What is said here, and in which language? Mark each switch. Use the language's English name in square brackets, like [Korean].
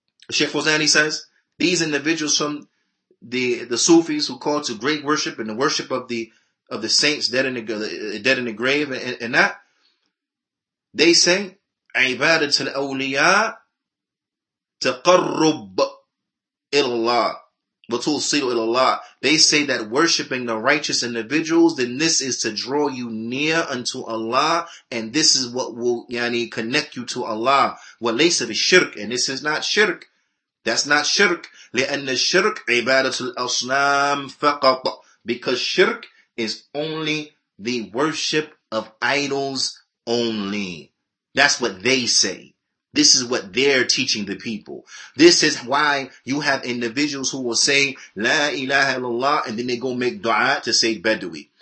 [English] Sheikh Fawzani says, these individuals from the Sufis who call to great worship and the worship of the saints dead in the grave and that, they say, [Arabic] عبادة الأولياء تقرب إلى الله وتوصل إلى الله. [English] They say that worshiping the righteous individuals, then this is to draw you near unto Allah, and this is what will connect you to Allah. [Arabic] وليس بالشرك, [English] and this is not shirk. That's not shirk. [Arabic] لأن الشرك عبادة الأصنام فقط. [English] Because shirk is only the worship of idols only. That's what they say. This is what they're teaching the people. This is why you have individuals who will say, La ilaha illallah, and then they go make dua to say Bedouin.